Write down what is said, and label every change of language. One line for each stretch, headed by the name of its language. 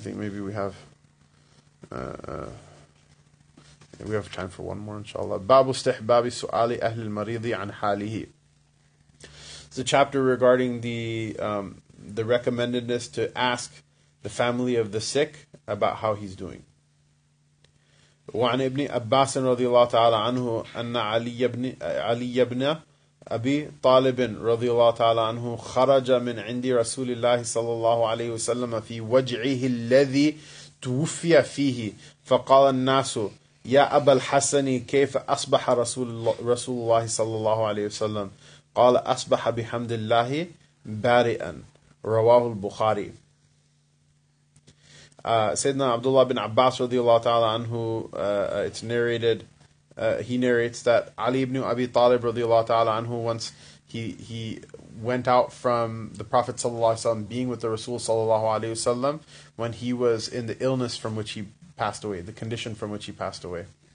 English: I think maybe we have time for one more, inshallah.
Arabic: Babu istihbabi su'ali ahli al-maridi an halihi.
English: It's a chapter regarding the recommendedness to ask the family of the sick about how he's doing.
Arabic: وعن ابن عباس رضي الله تعالى عنه أن علي بن أبي طالب رضي الله تعالى عنه خرج من عند رسول الله صلى الله عليه وسلم في وجعه الذي توفي فيه فقال الناس يا أبا الحسن كيف أصبح رسول الله صلى الله عليه وسلم قال أصبح بحمد الله بارئا رواه البخاري.
English: Sayyidina Abdullah bin Abbas radiallahu ta'ala anhu, he narrates that Ali ibn Abi Talib radiallahu ta'ala anhu, once he went out from the Prophet sallallahu alayhi wa sallam, being with the Rasul sallallahu alayhi wa sallam, when he was in the illness from which he passed away, the condition from which he passed away.